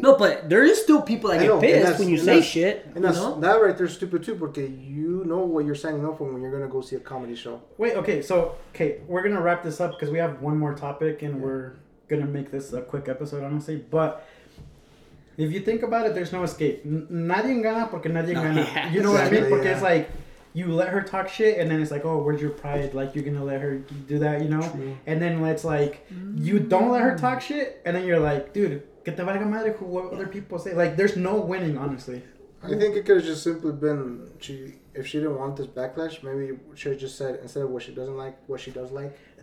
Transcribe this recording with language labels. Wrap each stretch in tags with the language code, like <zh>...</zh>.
<en>no, but there is still people that get pissed when you say shit. And that's, you know? That right there is stupid too, because you know what you're signing up for when you're gonna go see a comedy show. Wait, okay, so, okay, we're gonna wrap this up because we have one more topic and we're gonna make this a quick episode, honestly. But if you think about it, there's no escape.</en> <es>Nadie gana porque nadie gana.</es> <en>You know what I mean?</en> <es>Porque</es> <en>it's like, you let her talk shit, and then it's like, oh, where's your pride? Like, you're going to let her do that, you know? True. And then it's like, you don't let her talk shit, and then you're like, dude,</en> <es>que te valga madre</es> <en>who what other people say. Like, there's no winning, honestly. I think it could have just simply been, if she didn't want this backlash, maybe she would have just said, instead of what she doesn't like, what she does like.</en>